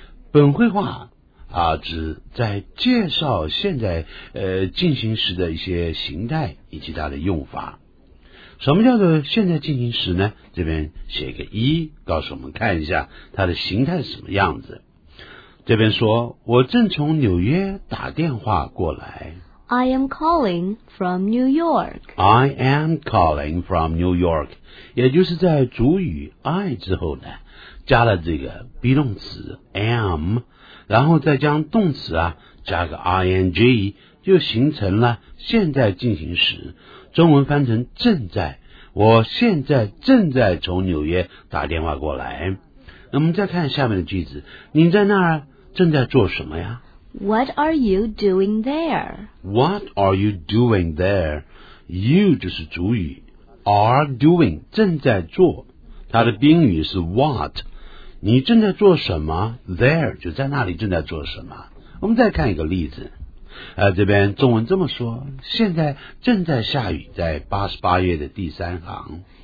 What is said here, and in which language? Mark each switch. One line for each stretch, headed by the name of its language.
Chinese: 本绘画啊，指在介绍现在进行时的一些形态以及它的用法。什么叫做现在进行时呢？这边写一个一，告诉我们看一下它的形态是什么样子。这边说，我正从纽约打电话过来。
English: I am calling from New York. I am calling from New York.
Chinese: 也就是在主语 I 之后呢，加了这个 be 动词 am。然后再将动词啊加个 ing， 就形成了现在进行时，中文翻成正在，我现在正在从纽约打电话过来。那我们再看下面的句子，你在那儿正在做什么呀？
English: What are you doing there? What are you doing there?
Chinese: You 就是主语，
English: are doing
Chinese: 正在做，它的宾语是 what，你正在做什么？ There 就在那里正在做什么。我们再看一个例子，这边中文这么说，现在正在下雨，在88页的第三行。